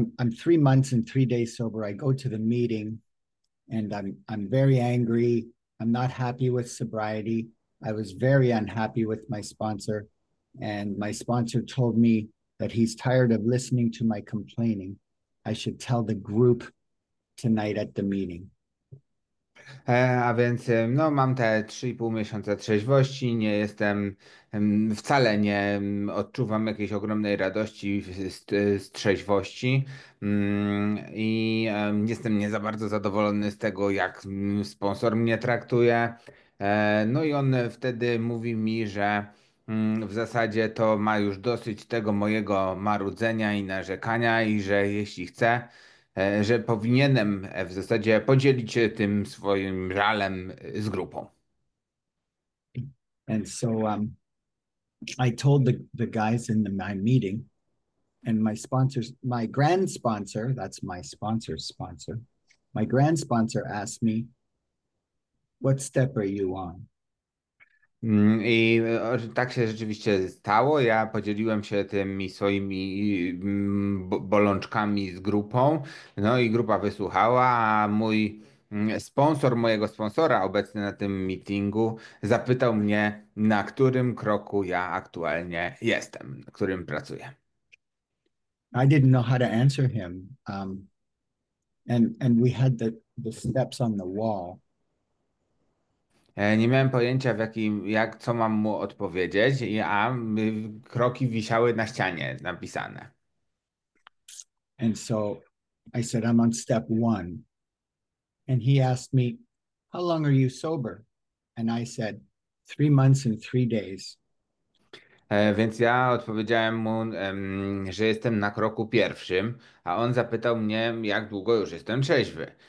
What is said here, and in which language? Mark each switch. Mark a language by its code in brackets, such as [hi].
[en] I'm 3 months and 3 days sober. I go to the meeting and I'm very angry. I'm not happy with sobriety. I was very unhappy with my sponsor, and my sponsor told me that he's tired of listening to my complaining. I should tell the group tonight at the meeting. [pl] A więc no, mam te 3,5 miesiąca trzeźwości, nie jestem wcale nie odczuwam jakiejś ogromnej radości z trzeźwości i jestem nie za bardzo zadowolony z tego, jak sponsor mnie traktuje. No i on wtedy mówi mi, że w zasadzie to ma już dosyć tego mojego marudzenia i narzekania, i że jeśli chce, że powinienem w zasadzie podzielić się tym swoim żalem z grupą. [en] And so I told the guys in my meeting, and my grand sponsor, that's my sponsor's sponsor, my grand sponsor asked me, "What step are you on?" [pl] I tak się rzeczywiście stało. Ja podzieliłem się tymi swoimi bolączkami z grupą. No i grupa wysłuchała, a mój sponsor, mojego sponsora obecny na tym meetingu, zapytał mnie, na którym kroku ja aktualnie jestem, na którym pracuję. [en] I didn't know how to answer him, and we had the steps on the wall. [pl] Nie miałem pojęcia, w jakim, jak, co mam mu odpowiedzieć, a kroki wisiały na ścianie napisane. [en] And so I said, "I'm on step one." And he asked me, "How long are you sober?" And I said, 3 months and 3 days. [pl] Więc ja odpowiedziałem mu, że jestem na kroku pierwszym, a on zapytał mnie, jak długo już jestem trzeźwy.